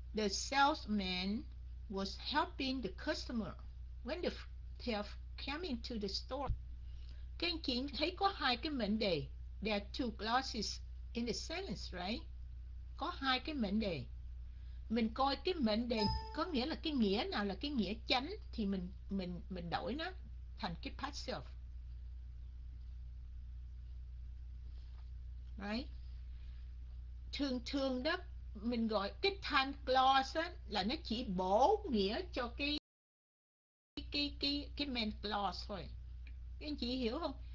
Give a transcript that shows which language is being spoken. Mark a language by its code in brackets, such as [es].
[en] Salesman was helping the customer when the thief came into the store. [vi] Các anh chị thấy có hai cái mệnh đề. [en] There are two clauses in the sentence, right? [vi] Có hai cái mệnh đề. Mình coi cái mệnh đề có nghĩa là cái nghĩa nào là cái nghĩa chánh thì mình đổi nó thành cái past self. Right? Thường thường đó mình gọi cái time clause á, là nó chỉ bổ nghĩa cho cái main clause thôi. Các anh chị hiểu không?